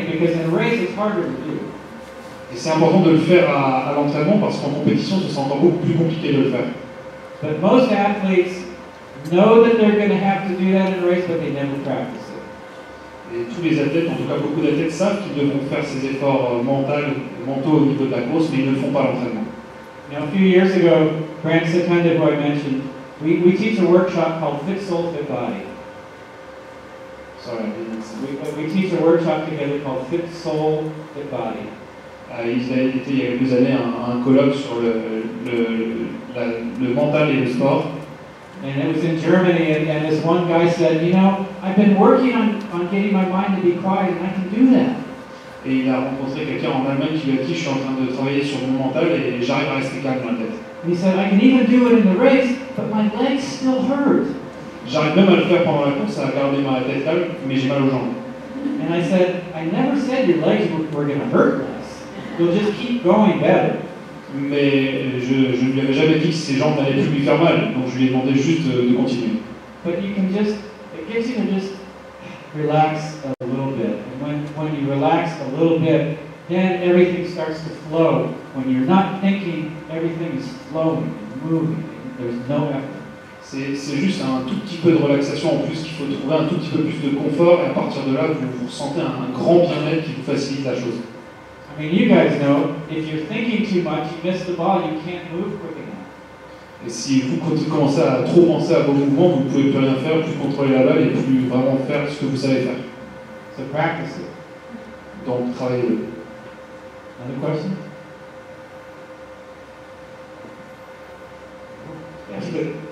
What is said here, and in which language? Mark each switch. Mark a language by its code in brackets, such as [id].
[fr] Et c'est important de le faire à l'entraînement parce qu'en compétition, ce sera encore beaucoup plus compliqué de le faire. [en] But most athletes know that they're going to have to do that in a race, but they never practice it. [fr] Et tous les athlètes, en tout cas beaucoup d'athlètes, savent qu'ils devront faire ces efforts mentaux au niveau de la course, mais ils ne font pas l'entraînement. [en] Now, a few years ago, Grant Secunda, who I mentioned, we teach a workshop called Fit Soul, Fit Body. Sorry, I didn't say that. We teach a workshop together called Fit Soul, Fit Body. [fr] Il y a quelques années un colloque sur le mental et le sport. [en] And it was in Germany, and this one guy said, you know, I've been working on getting my mind to be quiet, and I can do that. [fr] Et il a rencontré quelqu'un en Allemagne qui lui a dit, je suis en train de travailler sur mon mental et j'arrive à rester calme dans la tête. [en] He said, I can even do it in the race, but my legs still hurt. [fr] J'arrive même à le faire pendant la course, à garder ma tête calme, mais j'ai mal aux jambes. [en] And I said, I never said your legs were going to hurt less. You'll just keep going better. [fr] Mais je ne lui avais jamais dit que ses jambes n'allaient plus lui faire mal, donc je lui ai demandé juste de continuer. [en] But you can just, it gives you to just relax a little bit. And when you relax a little bit, then everything starts to flow. When you're not thinking, everything is flowing and moving. There's no effort. [fr] C'est juste un tout petit peu de relaxation en plus qu'il faut trouver un tout petit peu plus de confort et à partir de là, vous sentez un grand bien-être qui vous facilite la chose. [en] I mean, you guys know, if you're thinking too much, you miss the ball, you can't move quick enough. [fr] Et si vous commencez à trop penser à vos mouvements, vous ne pouvez plus rien faire, plus contrôler la balle et plus vraiment faire ce que vous savez faire. [en] So practice it. [fr] Donc, travaillez-le. [en] Another question? [fr] petit peu.